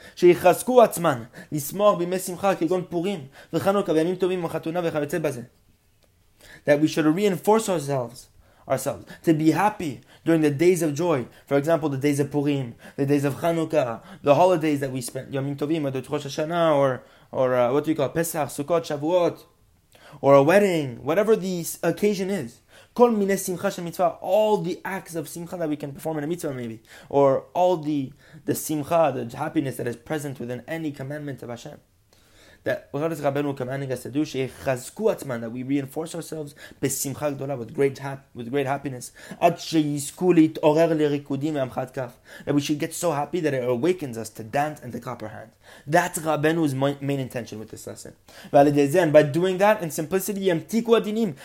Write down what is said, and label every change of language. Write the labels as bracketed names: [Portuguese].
[Hebrew] שיחזקו עצמן, לסמור בימי שמחה כגון פורים, וחנוכה, וימים טובים, וחתונה, וכיוצא בזה. [English] That we should reinforce ourselves, to be happy during the days of joy. For example, the days of Purim, the days of Chanukah, the holidays that we spend, [Hebrew] ימים טובים, עד ראש השנה, [English] or what do you call it? Pesach, Sukkot, Shavuot, or a wedding, whatever the occasion is. [Hebrew] כל מיני שמחה של מצווה, [English] all the acts of simcha that we can perform in a mitzvah maybe, or all the simcha, the happiness that is present within any commandment of Hashem. That what is Rabbeinu commanding us to do? [Hebrew] שיחזקו עצמן, [English] that we reinforce ourselves [Hebrew] בשמחה גדולה, [English] with great happiness. [Hebrew] עד שיזכו להתעורר לריקודים מהמחת כף. [English] That we should get so happy that it awakens us to dance and to clap our hands. That's Rabbeinu's main intention with this lesson. [Hebrew] ועל ידי זה, [English] and by doing that, in simplicity, [Hebrew] ימתיקו הדינים.